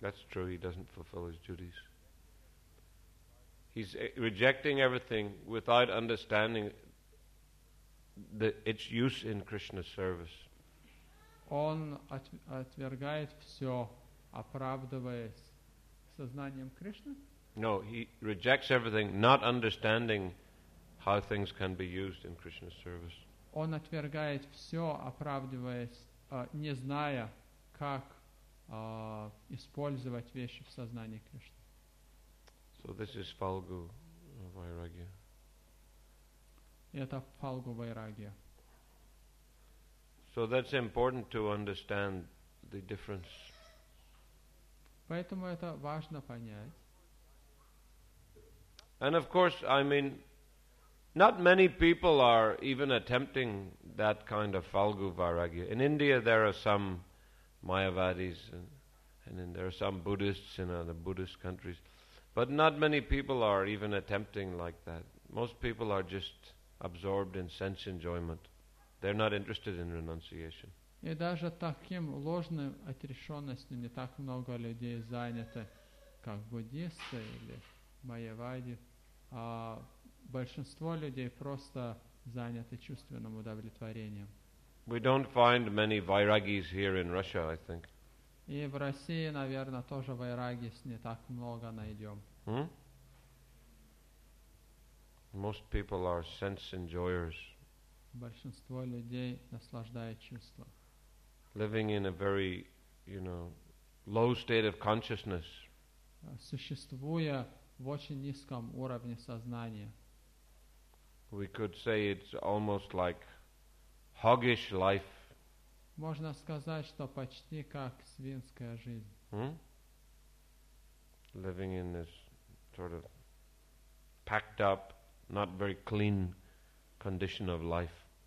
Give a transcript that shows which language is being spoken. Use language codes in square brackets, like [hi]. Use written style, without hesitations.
[en] That's true, he doesn't fulfill his duties. He's rejecting everything without understanding its use in Krishna's service. [ru] Он отвергает все, оправдываясь сознанием Кришны? [en] No, he rejects everything, not understanding how things can be used in Krishna's service. [ru] Он отвергает все, оправдываясь, не зная, как использовать вещи в сознании Кришны. [en] So this is Phalgu Vairagya. [ru] Это Phalgu Vairagya. [en] So that's important to understand the difference. [ru] Поэтому это важно понять. [en] And of course, I mean, not many people are even attempting that kind of Phalgu Vairagya. In India, there are some Mayavadis, and then there are some Buddhists in other Buddhist countries. But not many people are even attempting like that. Most people are just absorbed in sense enjoyment. They're not interested in renunciation. [ru] И даже таким ложным отрешенностью не так много людей заняты, как буддисты или майявади. Большинство людей просто заняты чувственным удовлетворением. [en] We don't find many vairagis here in Russia, I think. [ru] И в России, наверное, тоже вайрагис не так много найдем. [en] Most people are sense enjoyers. [ru] Большинство людей наслаждает чувства. [en] Living in a very, you know, low state of consciousness. [ru] Существуя в очень низком уровне сознания. [en] We could say it's almost like hoggish life. [ru] Можно сказать, что почти как свинская жизнь. [en] Living in this sort of packed up, not very clean condition of life.